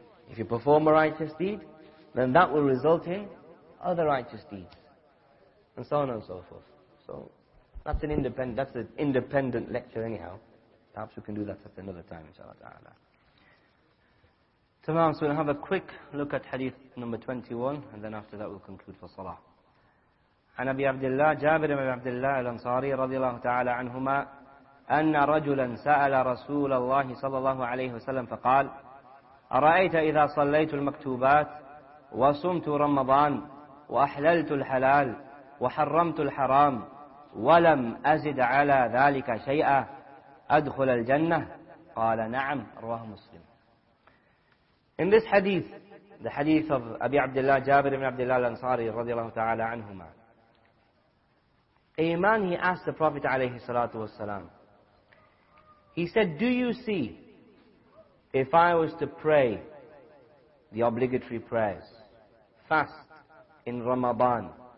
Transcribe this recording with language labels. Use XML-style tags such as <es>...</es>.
<en>If you perform a righteous deed, then that will result in other righteous deeds. And so on and so forth. So, that's an independent lecture anyhow. Perhaps we can do that at another time, inshallah ta'ala. Tamam, so we'll have a quick look at hadith number 21, and then after that we'll conclude for salah.</en> <ar>An Abi Abdullah, Jabir ibn Abdullah al-Ansari, radiallahu ta'ala anhuma, anna rajulan sa'ala Rasulullah sallallahu alayhi wa sallam, faqal, أرأيت إذا صليت المكتوبات وصمت رمضان وأحللت الحلال وحرمت الحرام ولم أزد على ذلك شيئا أدخل الجنة؟ قال نعم رواه مسلم.</ar> <en>In this hadith, the hadith of Abi Abdullah Jabir ibn Abdullah al-Ansari</en> <ar>رضي الله تعالى عنهما,</ar> <en>a man, he asked the Prophet</en> <ar>عليه الصلاة والسلام,</ar> <en>he said, do you see, if I was to pray the obligatory prayers, fast in Ramadan,</en>